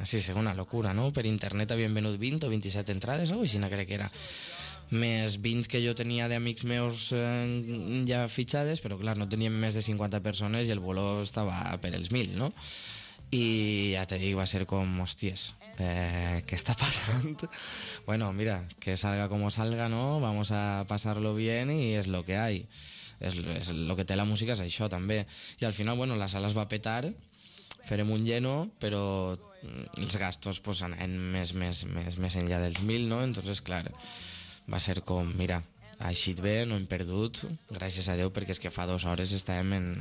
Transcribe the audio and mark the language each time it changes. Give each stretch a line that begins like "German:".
Catalan: Sí, és una locura, no? Per internet havien venut 20 o 27 entrades, algo així, crec que era. Més 20 que jo tenia d'amics meus ja fitxades, però clar, no teníem més de 50 persones i el bolo estava per els 1.000, no? I ja te dic, va ser com, hosties, què està passant?
Spanish: Bueno, mira, que salga como salga, ¿no? Vamos a pasarlo bien y es lo que hay.
Catalan: Es lo que té la música, és això, també. I al final, bueno, la sala es va petar, farem un lleno, però els gastos, pues, anaven més enllà dels 1.000, ¿no? Entonces, clar, va ser com, mira, ha eixit bé, no hem perdut, gràcies a Déu, perquè és que fa dues hores estàvem en...